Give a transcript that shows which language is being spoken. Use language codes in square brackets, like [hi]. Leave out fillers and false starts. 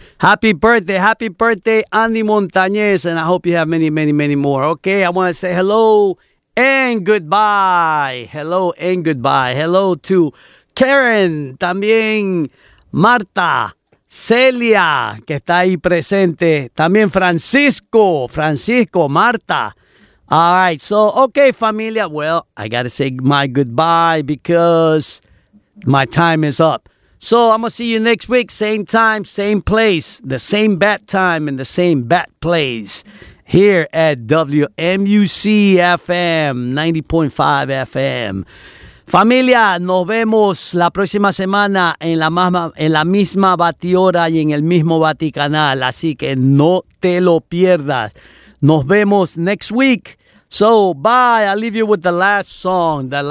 [en] Happy birthday, Andy Montañez, and I hope you have many, many, many more. Okay, I want to say hello and goodbye. Hello and goodbye. Hello to Karen, [es] también Marta, Celia, que está ahí presente. También Francisco, Marta. [en] All right, so, okay, familia. Well, I got to say my goodbye because my time is up. So, I'm going to see you next week, same time, same place, the same bat time and the same bat place here at WMUC FM, 90.5 FM. [es] Familia, nos vemos la próxima semana en la misma batiora y en el mismo baticanal. Así que no te lo pierdas. Nos vemos [en] next week. So, bye. I leave you with the last song.